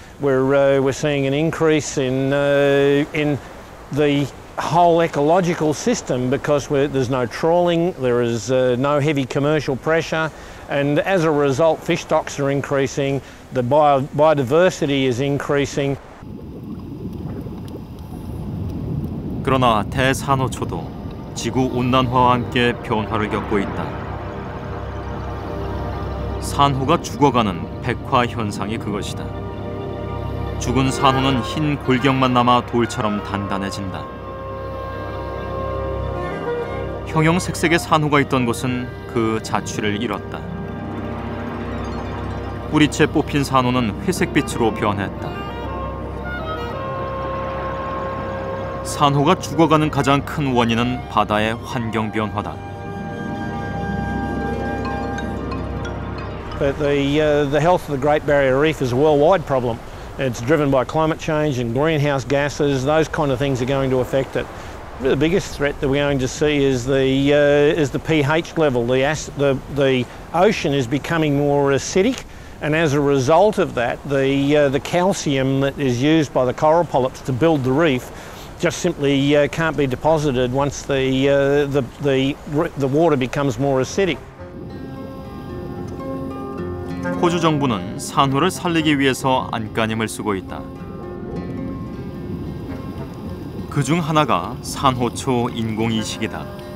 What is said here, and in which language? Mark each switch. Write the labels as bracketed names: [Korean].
[English] We're seeing an increase in the whole ecological system because there's no trawling, there is no heavy commercial pressure. And as a result, fish stocks are increasing, the biodiversity is increasing. [Korean] 그러나 대산호초도 지구 온난화와 함께 변화를 겪고 있다. 산호가 죽어가는 백화 현상이 그것이다. 죽은 산호는 흰 골격만 남아 돌처럼 단단해진다. 형형색색의 산호가 있던 곳은 그 자취를 잃었다. 뿌리채 뽑힌 산호는 회색빛으로 변했다. 산호가 죽어가는 가장 큰 원인은 바다의 환경 변화다. [English] But the health of the Great Barrier Reef is a worldwide problem. It's driven by climate change and greenhouse gases. Those kind of things are going to affect it. The biggest threat that we're going to see is the pH level. The ocean is becoming more acidic. And as a result of that, the calcium that is used by the coral polyps to build the reef just simply can't be deposited once the water becomes more acidic. [Korean] 호주 정부는 산호를 살리기 위해서 안간힘을 쓰고 있다. 그중 하나가 산호초 인공이식이다.